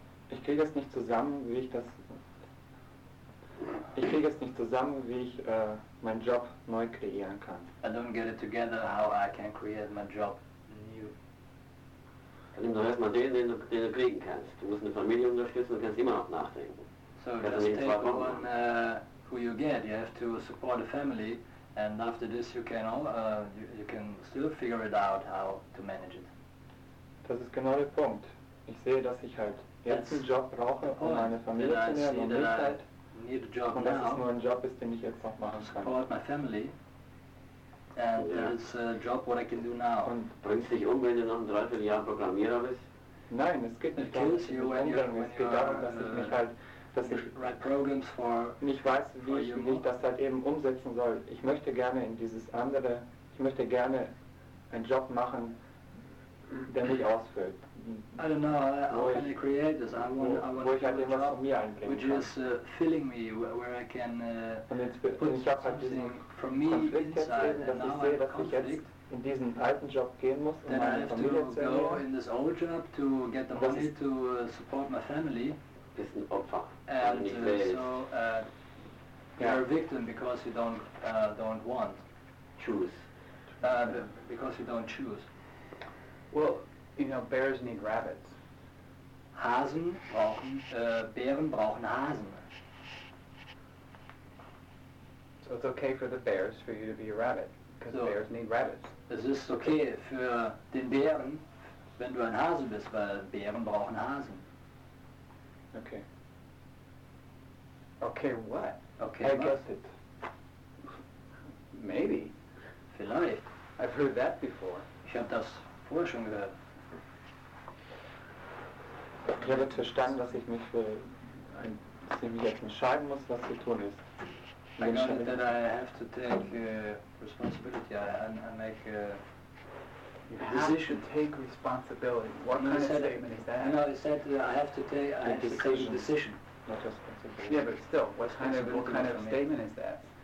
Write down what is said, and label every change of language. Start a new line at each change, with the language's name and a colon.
German: Ich kriege es nicht zusammen, wie ich das. Ich kriege es nicht zusammen, wie ich meinen Job neu kreieren kann.
English: I don't get it together how I can create my job new.
German: Dann nimm doch erstmal den du kriegen kannst. Du musst eine Familie unterstützen, du kannst immer noch nachdenken.
English: So just take the one who you get. You have to support a family, and after this you can still figure it out how to manage it.
German: Das ist genau der Punkt. Ich sehe, dass ich halt jetzt einen Job brauche, um meine Familie zu ernähren und nicht halt. Und das ist nur ein Job, den ich jetzt noch machen kann.
English: Support my family. And it's a job what I can do now.
German: Und bringst dich um, wenn du noch ein Dreivierteljahr Programmierer bist? Nein, es geht nicht darum, dass ich mich umbringe. Es geht darum, dass ich mich halt, dass ich
English: write programs for
German: nicht weiß, wie ich mich das halt eben umsetzen soll. Ich möchte gerne in dieses andere, ich möchte gerne einen Job machen, der mich ausfüllt.
English: I don't know, how can I create this? I want to have a job which is filling me, where I can put something from me inside, and now I'm in conflict.
German: In diesen alten Job gehen muss,
English: then
German: meine
English: I have
German: Familie
English: to go in this old job to get the money to support my family.
German: Bisschen Opfer.
English: And you're a victim because you don't want. Choose. Because you don't choose. Well, you know, bears need rabbits.
German: Hasen brauchen, Bären brauchen Hasen.
English: So it's okay for the bears for you to be a rabbit, because bears need rabbits.
German: Es ist okay für den Bären, wenn du ein Hase bist, weil Bären brauchen Hasen.
English: Okay. Okay, what? Okay, I guess it. Maybe.
German: Vielleicht.
English: I've heard that before.
German: Ich habe das vorher schon gehört. Ich habe verstanden, dass ich mich für ein jetzt entscheiden muss, was zu tun ist.
English: I know that I have to take responsibility. I make a decision. Take responsibility. What kind of statement is that? No, I said I have to take. I have to take a decision. Not responsibility. Yeah, but still, what kind of statement is that?